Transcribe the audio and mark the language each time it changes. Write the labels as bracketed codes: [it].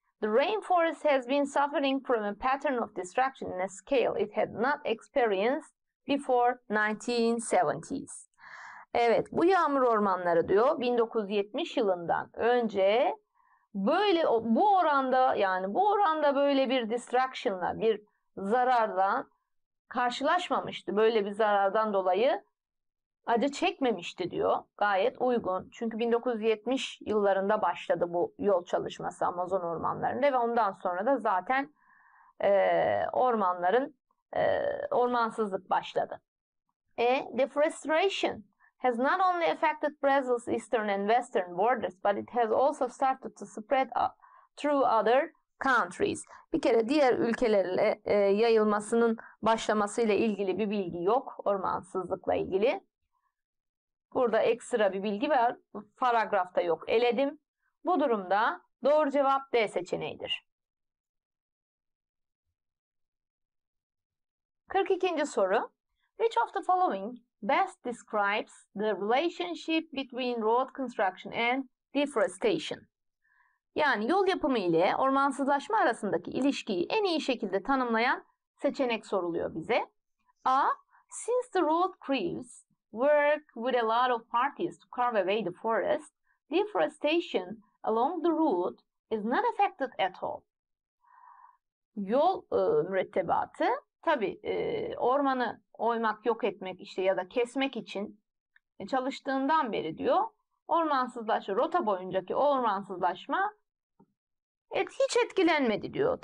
[en] The rainforest has been suffering from a pattern of destruction in a scale it had not experienced before 1970s. [tr] Evet, bu yağmur ormanları diyor 1970 yılından önce böyle bu oranda yani bu oranda böyle bir destruction'la bir zararla karşılaşmamıştı. Böyle bir zarardan dolayı acı çekmemişti diyor. Gayet uygun. Çünkü 1970 yıllarında başladı bu yol çalışması Amazon ormanlarında ve ondan sonra da zaten ormanların ormansızlık başladı. [en] Deforestation has not only affected Brazil's eastern and western borders, but it has also started to spread through other countries. [tr] Bir kere diğer ülkelerle yayılmasının başlamasıyla ilgili bir bilgi yok ormansızlıkla ilgili. Burada ekstra bir bilgi var. Paragrafta yok. Eledim. Bu durumda doğru cevap D seçeneğidir. 42. soru. [en] Which of the following best describes the relationship between road construction and deforestation? [tr] Yani yol yapımı ile ormansızlaşma arasındaki ilişkiyi en iyi şekilde tanımlayan seçenek soruluyor bize. A. [en] Since the road crews work with a lot of parties to carve away the forest, deforestation along the route is not affected at all. [tr] Yol mürettebatı, tabii ormanı oymak, yok etmek işte ya da kesmek için çalıştığından beri diyor, ormansızlaşma, rota boyuncaki ormansızlaşma hiç etkilenmedi diyor.